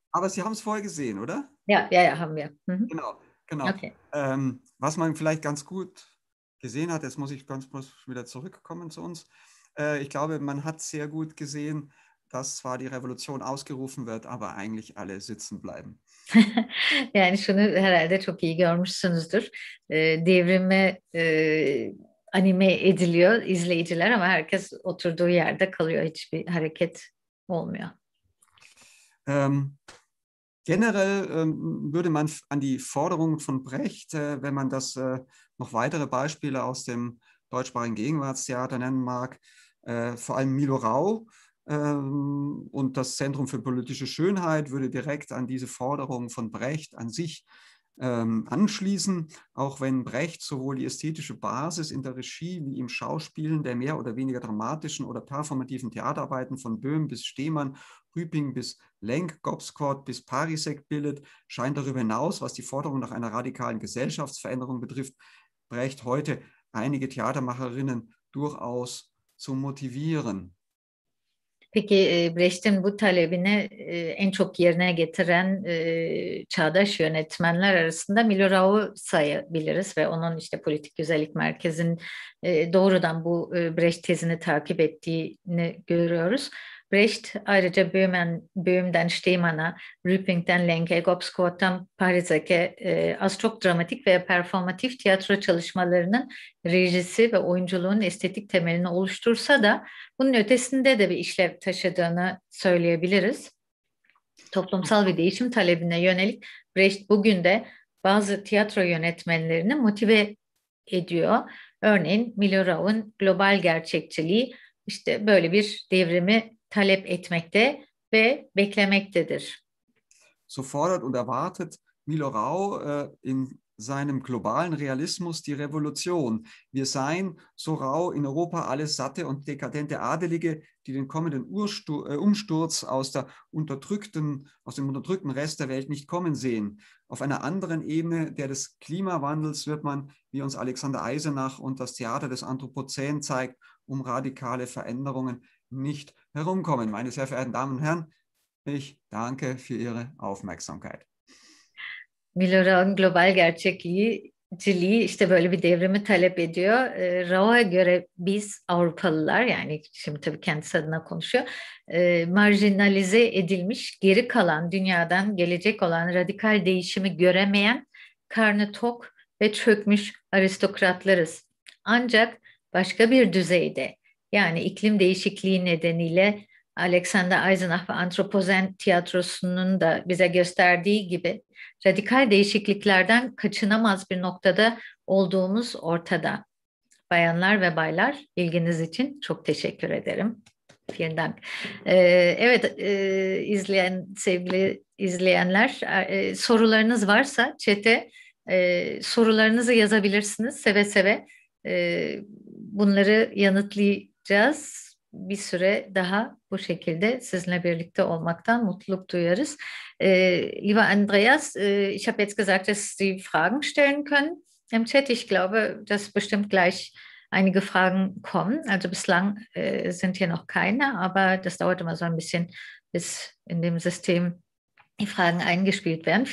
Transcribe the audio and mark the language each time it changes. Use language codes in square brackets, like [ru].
[de] Aber Sie haben es vorher gesehen, oder? Ja, haben wir. Mhm. Genau. Okay. Was man vielleicht ganz gut gesehen hat, jetzt muss ich ganz kurz wieder zurückkommen zu uns. Ich glaube, man hat sehr gut gesehen, dass zwar die Revolution ausgerufen wird, aber eigentlich alle sitzen bleiben. [tr] Yani şunu herhalde çok iyi görmüşsünüzdür. Devrime anime ediliyor izleyiciler ama herkes oturduğu yerde kalıyor, hiçbir hareket olmuyor. [de] Generell würde man an die Forderung von Brecht, wenn man das noch weitere Beispiele aus dem deutschsprachigen Gegenwartstheater nennen mag, vor allem Milo Rau und das Zentrum für politische Schönheit würde direkt an diese Forderung von Brecht an sich anschließen, auch wenn Brecht sowohl die ästhetische Basis in der Regie wie im Schauspielen der mehr oder weniger dramatischen oder performativen Theaterarbeiten von Böhm bis Stemann, Rüping bis Lenk, Gobsquart bis Parisek bildet, scheint darüber hinaus, was die Forderung nach einer radikalen Gesellschaftsveränderung betrifft, Brecht heute einige Theatermacherinnen durchaus zu motivieren. [tr] Peki Brecht'in bu talebini en çok yerine getiren çağdaş yönetmenler arasında Milo Rau'yu sayabiliriz ve onun işte Politik Güzellik Merkezi'nin doğrudan bu Brecht tezini takip ettiğini görüyoruz. Brecht ayrıca Böhm'den Stemann'a, Rüping'den Lenk'e, Gobsquart'tan Parizek'e az çok dramatik ve performatif tiyatro çalışmalarının rejisi ve oyunculuğun estetik temelini oluştursa da bunun ötesinde de bir işlev taşıdığını söyleyebiliriz. Toplumsal bir değişim talebine yönelik Brecht bugün de bazı tiyatro yönetmenlerini motive ediyor. Örneğin Milo Rau'nun global gerçekçiliği işte böyle bir devrimi talep etmekte ve beklemektedir. [de] So fordert und erwartet Milo Rau in seinem globalen Realismus die Revolution. Wir seien, so Rau, in Europa alles satte und dekadente Adelige, die den kommenden Umsturz aus dem unterdrückten Rest der Welt nicht kommen sehen. Auf einer anderen Ebene, der des Klimawandels, wird man, wie uns Alexander Eisenach und das Theater des Anthropozän zeigt, um radikale Veränderungen nicht herumkommen. Meine sehr verehrten Damen und Herren, ich danke für Ihre Aufmerksamkeit. [tr] Milo Rau'nun global gerçekçiliği işte böyle bir devrimi talep ediyor. Rau'a göre biz Avrupalılar, yani şimdi tabii kendisi adına konuşuyor, marjinalize edilmiş, geri kalan, dünyadan gelecek olan radikal değişimi göremeyen, karnı tok ve çökmüş aristokratlarız. Ancak başka bir düzeyde, yani iklim değişikliği nedeniyle Alexander Eisenach ve Antropozen tiyatrosunun da bize gösterdiği gibi radikal değişikliklerden kaçınamaz bir noktada olduğumuz ortada. Bayanlar ve baylar, ilginiz için çok teşekkür ederim. [de] Vielen Dank. [tr] Evet, sevgili izleyenler, sorularınız varsa chat'e sorularınızı yazabilirsiniz. Seve seve bunları yanıtlayacağız. Bir süre daha bu şekilde sizinle birlikte olmaktan mutluluk duyarız. [de] Lieber Andreas, ich habe jetzt gesagt, dass Sie Fragen stellen können im Chat. Ich glaube, dass bestimmt gleich einige Fragen kommen. Also bislang sind hier noch keine, aber das dauert immer so ein bisschen, bis in dem System die Fragen eingespielt werden.